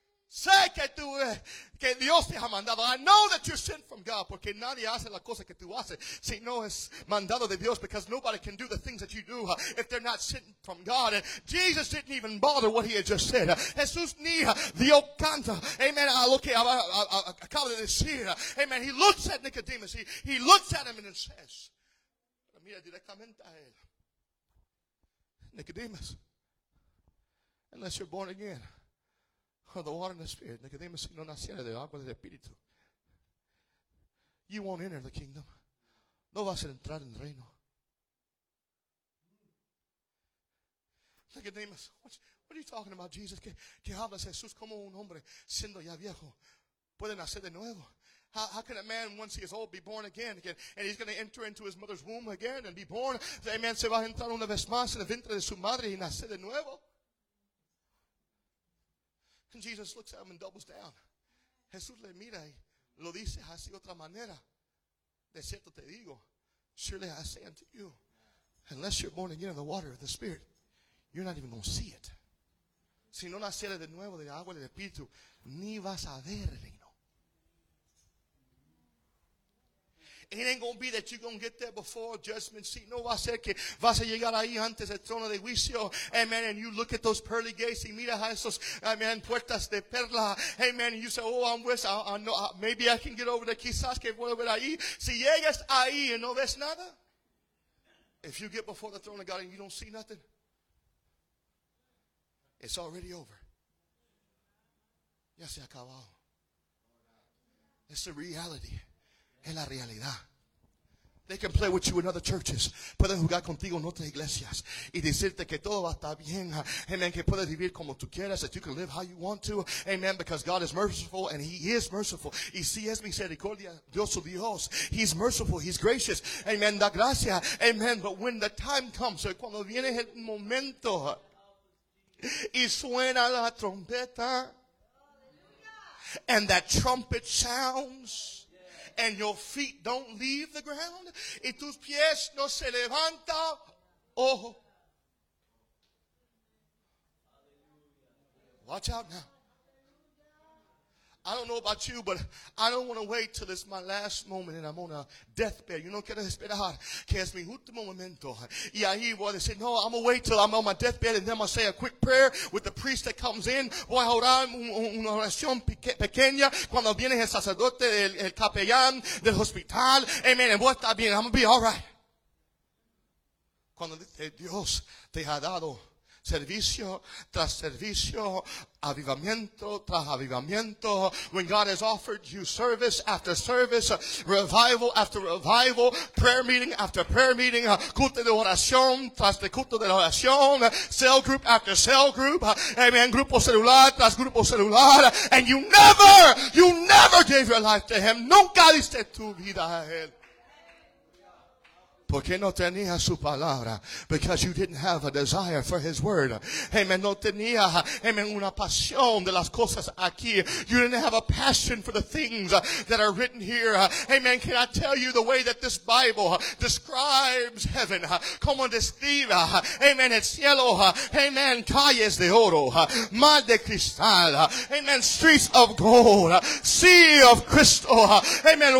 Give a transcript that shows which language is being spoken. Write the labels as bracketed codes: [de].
[es] Sé que tú, que Dios te ha mandado. [en] I know that you're sent from God. [es] Porque nadie hace la cosa que tú haces. Si no es mandado de Dios. [en] Because nobody can do the things that you do if they're not sent from God. And Jesus didn't even bother what he had just said. [es] Jesús ni dio canto. Amen. A lo que acaba de decir. Amen. [en] He looks at Nicodemus. He looks at him and says. [es] Mira directamente a él. [en] Nicodemus. Unless you're born again. Of the water and the spirit. [es] Nicodemus, si no naciera de agua del espíritu. [en] You won't enter the kingdom. [es] No vas a entrar en el reino. [en] Nicodemus, what are you talking about, Jesus? [es] ¿Qué hablas, Jesús? ¿Cómo un hombre siendo ya viejo puede nacer de nuevo? [en] How can a man, once he is old, be born again, and he's going to enter into his mother's womb again and be born? Amen. [es] Se va a entrar una vez más en el vientre de su madre y nacer de nuevo. [en] And Jesus looks at him and doubles down. [es] Jesús le mira y lo dice así otra manera. De cierto te digo, [en] surely I say unto you, unless you're born again of the water of the Spirit, you're not even going to see it. [es] Si no naciera de nuevo de agua del Espíritu, ni vas a ver el reino. [en] It ain't going to be that you're going to get there before judgment seat. [es] No va a ser que vas a llegar ahí antes del trono de juicio. [en] Amen. And you look at those pearly gates [es] y mira a esos, amen, puertas de perla. [en] Amen. And you say, oh, I'm with, maybe I can get over there. [es] Quizás que voy a ver ahí. Si llegas ahí y no ves nada. [en] If you get before the throne of God and you don't see nothing, it's already over. [es] Ya se acabó. [en] It's a reality. [es] Es la realidad. [en] They can play with you in other churches. [es] Pueden jugar contigo en otras iglesias y decirte que todo va a estar bien. Amen. Que puedes vivir como tú quieras. [en] That you can live how you want to. Amen. Because God is merciful and He is merciful. [es] Y si es misericordia, Dios su Dios. [en] He's merciful. He's gracious. [es] Amen. Da gracia. Amen. [en] But when the time comes, [es] cuando viene el momento y suena la trompeta, [en] and that trumpet sounds, and your feet don't leave the ground, [es] y tus pies no se levanta, ojo. [en] Watch out now. I don't know about you, but I don't want to wait till it's my last moment and I'm on a deathbed. You [es] no quiero esperar que es mi último momento. Y ahí voy a [en] say, no, I'm going to wait till I'm on my deathbed and then I'm going to say a quick prayer with the priest that comes in. [es] Voy a orar una oración pequeña cuando viene el sacerdote, el capellán del hospital. Amen. And voy a estar bien. [en] I'm going to be all right. [es] Cuando Dios te ha dado servicio tras servicio, avivamiento tras avivamiento. [en] When God has offered you service after service, revival after revival, prayer meeting after prayer meeting, [es] culto de oración tras de culto de oración, [en] cell group after cell group, amen, [es] grupo celular tras grupo celular, [en] and you never gave your life to Him. [es] Nunca diste tu vida a Él. Porque no tenía su palabra. [en] Because you didn't have a desire for His word. Amen. [es] No tenía, amen, una pasión de las cosas aquí. [en] You didn't have a passion for the things that are written here. Amen. Can I tell you the way that this Bible describes heaven? [es] Como describe, amen, el cielo. Amen. Calles de oro. Mar de cristal. Amen. [en] Streets of gold. Sea of crystal. Amen.